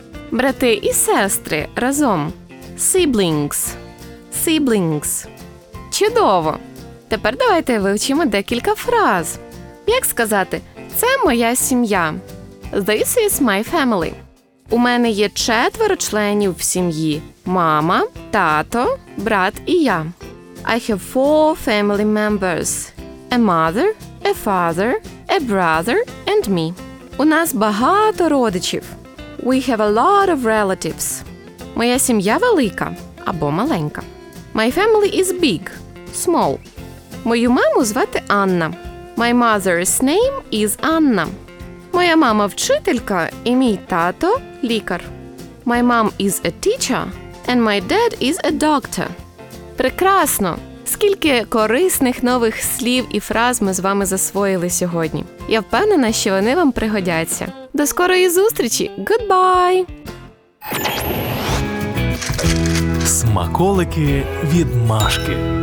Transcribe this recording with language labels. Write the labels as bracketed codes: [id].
[uk] Брати і сестри разом. Siblings. Siblings. Чудово! Тепер давайте вивчимо декілька фраз. Як сказати «Це моя сім'я»? [en] This is my family. [uk] У мене є четверо членів в сім'ї. Мама, тато, брат і я. [en] I have four family members. A mother, a father, a brother and me. [uk] У нас багато родичів. [en] We have a lot of relatives. [uk] Моя сім'я велика або маленька. [en] My family is big, small. [uk] Мою маму звати Анна. [en] My mother's name is Anna. [uk] Моя мама вчителька і мій тато лікар. [en] My mom is a teacher and my dad is a doctor. [uk] Прекрасно! Скільки корисних нових слів і фраз ми з вами засвоїли сьогодні. Я впевнена, що вони вам пригодяться. До скорої зустрічі! Goodbye! Смаколики від Машки.